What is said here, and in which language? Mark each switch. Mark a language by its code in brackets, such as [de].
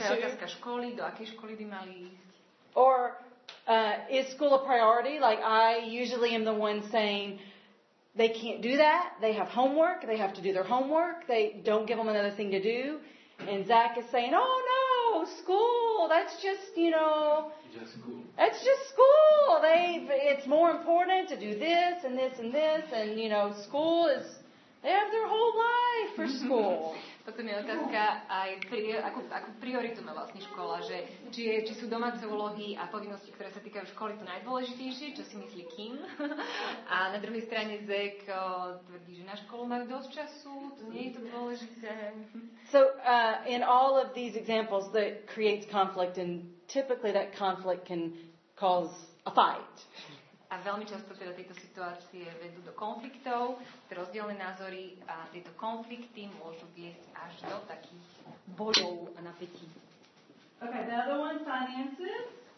[sk] Ale pre nás je otázka školy, do akej školy by mali ísť. [en] Or is school a priority? Like I usually am the one saying they can't do that. They have homework. They have to do their homework. They don't give them another thing to do. And Zach is saying, oh, no, school. That's just, you know, that's just school. It's more important to do this and this and this. And, you know, school is, they have their whole life for school. [sk] Potom je otázka aj, akú prioritu má vlastne škola, že či sú domáce úlohy a povinnosti, ktoré sa týkajú školy, to najdôležitejšie, čo si myslí Kim. A na druhej strane Zek tvrdí, že na školu majú dosť času, to nie je to dôležité. [en] So in all of these examples that creates conflict, and typically that conflict can cause a fight. [sk] A veľmi často teda tieto situácie vedú do konfliktov, rozdielne názory a tieto konflikty môžu viesť až do takých bodov a napätí. [en] Okay, the other one, finances.